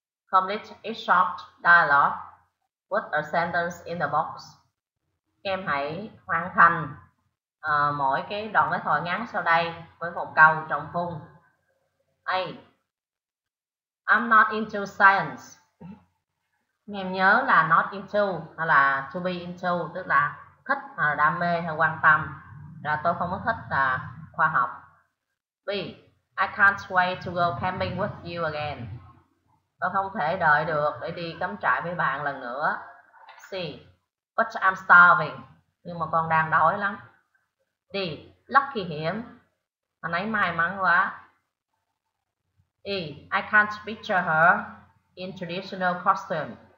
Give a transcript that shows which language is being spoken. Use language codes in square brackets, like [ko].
[en] Complete each short dialogue with a sentence in the box. [vi] Các em hãy hoàn thành mỗi cái đoạn đối thoại ngắn sau đây với một câu trong khung. A. [en] I'm not into science. [vi] Các em nhớ là not into hay là to be into, tức là thích hay là đam mê hay quan tâm. Là tôi không có thích khoa học. B. [en] I can't wait to go camping with you again. [vi] Tôi không thể đợi được để đi cắm trại với bạn lần nữa. C. [en] But I'm starving. [vi] Nhưng mà con đang đói lắm. D. [en] Lucky him. [vi] Anh ấy may mắn quá. E. [en] I can't picture her in traditional costume.